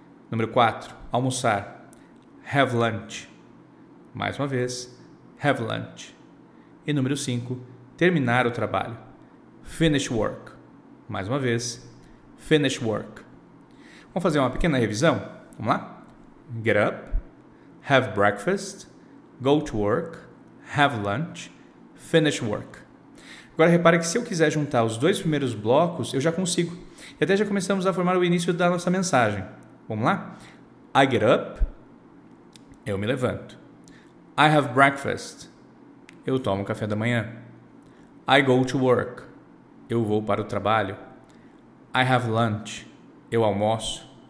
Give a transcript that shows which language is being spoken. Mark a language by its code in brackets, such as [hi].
[pt] Número 4, almoçar. [en] Have lunch. [pt] Mais uma vez, [en] have lunch. [pt] E número 5, terminar o trabalho. [en] Finish work. [pt] Mais uma vez, [en] finish work. [pt] Vamos fazer uma pequena revisão? Vamos lá? [en] Get up. Have breakfast. Go to work, have lunch, finish work. [pt] Agora repare que se eu quiser juntar os dois primeiros blocos, eu já consigo. E até já começamos a formar o início da nossa mensagem. Vamos lá? [en] I get up, [pt] eu me levanto. [en] I have breakfast, [pt] eu tomo café da manhã. [en] I go to work, [pt] eu vou para o trabalho. [en] I have lunch, [pt] eu almoço.